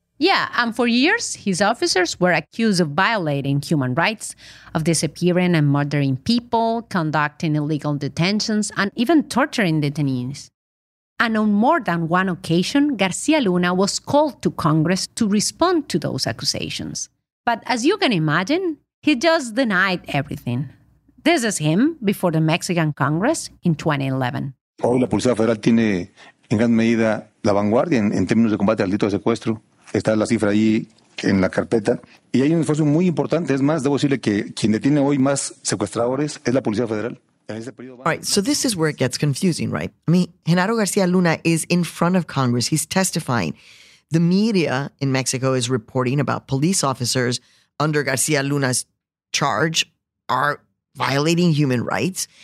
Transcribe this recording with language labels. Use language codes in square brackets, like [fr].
[en] Yeah, and for years, his officers were accused of violating human rights, of disappearing and murdering people, conducting illegal detentions, and even torturing detainees. And on more than one occasion, García Luna was called to Congress to respond to those accusations. But as you can imagine, he just denied everything. This is him before the Mexican Congress in 2011. [es] Hoy la Policía Federal tiene en gran medida la vanguardia en términos de combate al delito de secuestro. Está la cifra ahí en la carpeta. Y hay un esfuerzo muy importante. Es más, debo decirle que quien detiene hoy más secuestradores es la Policía Federal. [en] All right, so this is where it gets confusing, right? I mean, Genaro García Luna is in front of Congress. He's testifying. The media in Mexico is reporting about police officers under García Luna's charge are violating human rights.